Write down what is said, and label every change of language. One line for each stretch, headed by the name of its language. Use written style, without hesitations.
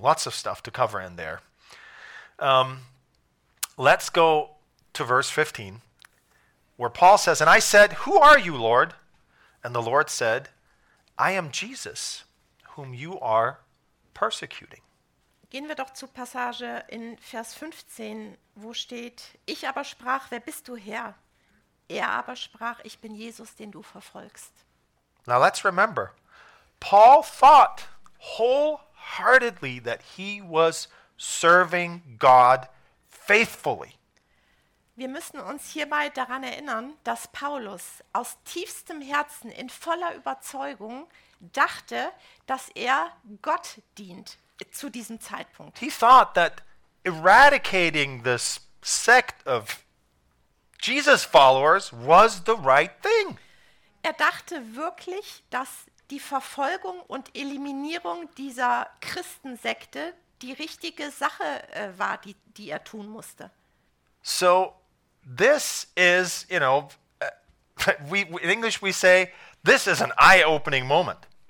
English: Lots of stuff to cover in there. Let's go to verse 15, where Paul says, and I said, who are you, Lord? And the Lord said, I am Jesus, whom you are persecuting.
German: Gehen wir doch zur Passage in Vers 15, wo steht, ich aber sprach, wer bist du, Herr? Er aber sprach, ich bin Jesus, den du verfolgst.
English: Now let's remember, Paul thought wholeheartedly that he was serving God faithfully.
German: Wir müssen uns hierbei daran erinnern, dass Paulus aus tiefstem Herzen in voller Überzeugung dachte, dass er Gott dient zu diesem Zeitpunkt.
English: He thought that eradicating this sect of Jesus followers was the right thing.
German: Er dachte wirklich, dass die Verfolgung und Eliminierung dieser Christensekte die richtige Sache war, die er tun musste.
English: So this is, you know, in English we say, this is an eye-opening moment.